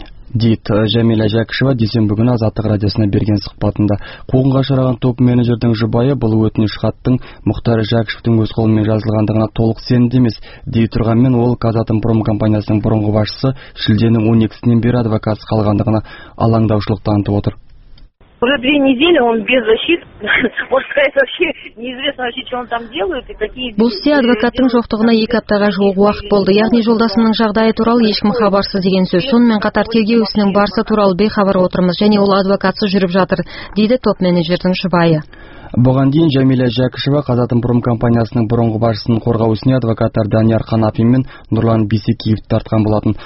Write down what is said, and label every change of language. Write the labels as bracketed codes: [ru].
[kk] Дит Жәмила Жәкішева дүйсенбі күні Азаттық радиосына берген сұхбатында қуғынға ұшыраған топ менеджердің жұбайы бұл өтініш хаттың Мұхтар Жәкішевтің өз қолымен жазылғандығына толық сенімді емес дей тұрғанмен, ол Қазатомпром компаниясының бұрынғы басшысы шілденің 12-сінен бері адвокатсыз қалғандығына алаңдаушылық танытып отыр. [ru] Уже две недели он без защиты. Может сказать, вообще неизвестно вообще, что он там делает и какие. [kk] Бұл істе адвокаттың жоқтығына екі аптаға жуық уақыт болды. Яғни жолдасының жағдайы туралы ешкім хабарсыз деген сөз. Сонымен қатар тергеу ісінің барысы туралы бейхабар отырмыз және ол адвокатсыз жүріп жатыр, дейді топ менеджердің жұбайы. Бұған дейін Жәмила Жәкішева Қазатомпром компаниясының бұрынғы басшысын қорғау ісіне адвокаттар Данияр Қанапин мен Нұрлан Бисекеевті тартқан болатын.